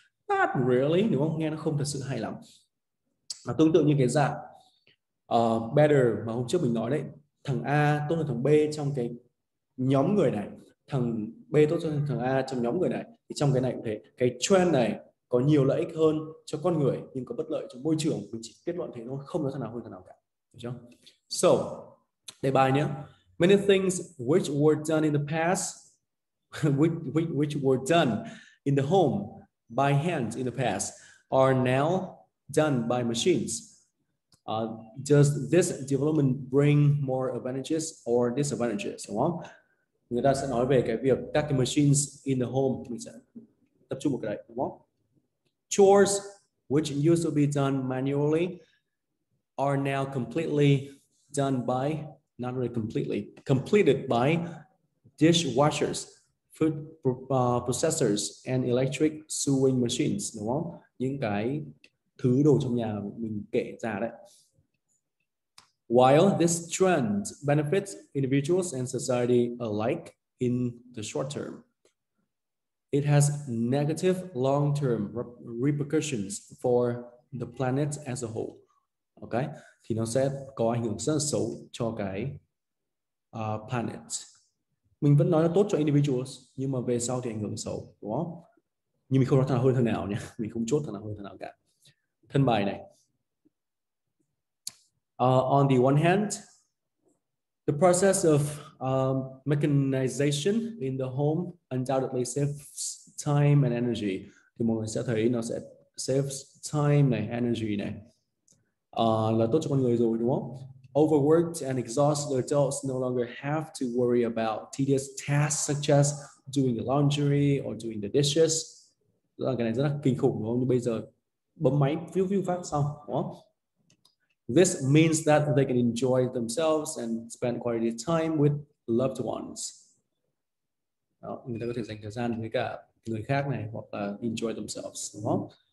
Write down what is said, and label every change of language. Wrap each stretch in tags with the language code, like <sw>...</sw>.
<vi>not really, đúng không? Nghe nó không thật sự hay lắm. Và tương tự như cái dạng better mà hôm trước mình nói đấy, thằng A tốt hơn thằng B trong cái nhóm người này, thằng B tốt hơn thằng A trong nhóm người này, thì trong cái này cũng thế, cái trend này có nhiều lợi ích hơn cho con người nhưng có bất lợi cho môi trường, mình chỉ kết luận thế thôi, không có thằng nào hơn thằng nào cả, được chưa?</vi> <en>So</en> <vi>đề bài nhé,</vi> <en>many things which were done in the past which were done in the home by hand in the past are now done by machines. Does this development bring more advantages or disadvantages?</en> <vi>Người ta sẽ nói về cái việc các cái machines</vi> <en>in the home,</en> <vi>mình sẽ tập trung một cái đấy, đúng không?</vi> <en>Chores which used to be done manually are now completely done by, not really completely, completed by dishwashers, food processors and electric sewing machines,</en> <vi>đúng không? Những cái thứ đồ trong nhà mình kể ra đấy.</vi> <en>While this trend benefits individuals and society alike in the short term, it has negative long-term repercussions for the planet as a whole. Okay?</en> <vi>Thì nó sẽ có ảnh hưởng rất xấu cho cái planet. Mình vẫn nói là tốt cho individuals, nhưng mà về sau thì ảnh hưởng xấu, đúng không? Nhưng mình không nói thằng nào hơn thằng nào nhé. Mình không chốt thằng nào hơn thằng nào cả. Thân bài này.</vi> <en>On the one hand, the process of mechanization in the home undoubtedly saves time and energy.</en> <vi>Thì mọi người sẽ thấy nó sẽ saves time này, energy này. Là tốt cho con người rồi, đúng không?</vi> <en>Overworked and exhausted adults no longer have to worry about tedious tasks such as doing the laundry or doing the dishes.</en> <vi>Là cái này rất là kinh khủng, đúng không? Như bây giờ bấm máy phiu phiu phát xong, đúng không?</vi> <en>This means that they can enjoy themselves and spend quality time with loved ones.</en> <vi>Đó, người ta có thể dành thời gian với cả người khác này, hoặc là</vi> <en>enjoy themselves,</en> <vi>đúng không?</vi>